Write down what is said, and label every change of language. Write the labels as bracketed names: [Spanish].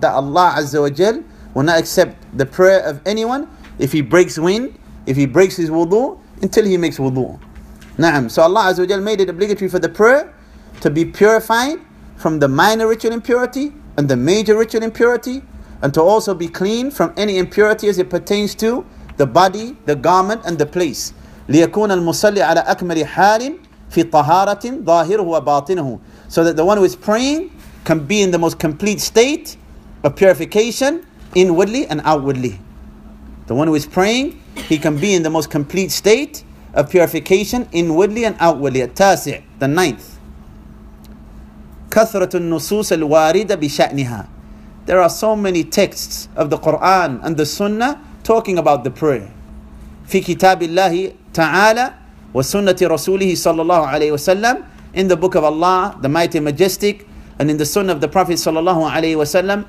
[English] That Allah Azza wa Jal will not accept the prayer of anyone if he breaks wind, if he breaks his wudu, until he makes wudu. Naam. So Allah Azza wa Jal made it obligatory for the prayer to be purified from the minor ritual impurity and the major ritual impurity, and to also be clean from any impurity as it pertains to the body, the garment, and the place. [Arabic] لِيَكُونَ الْمُصَلِّ عَلَىٰ أَكْمَلِ حَالٍ فِي طَهَارَةٍ ظَاهِرُهُ وَبَاطِنُهُ. [English] So that the one who is praying can be in the most complete state of purification inwardly and outwardly. The one who is praying, he can be in the most complete state of purification inwardly and outwardly. [Arabic] التاسع, [English] the ninth. [Arabic] كثرة النصوص الواردة بشأنها. [English] There are so many texts of the Quran and the Sunnah talking about the prayer. [Arabic] في كتاب الله تعالى وسنة رسوله صلى الله عليه وسلم. [English] In the book of Allah, the Mighty Majestic, and in the Sunnah of the Prophet [Arabic] صلى الله عليه وسلم.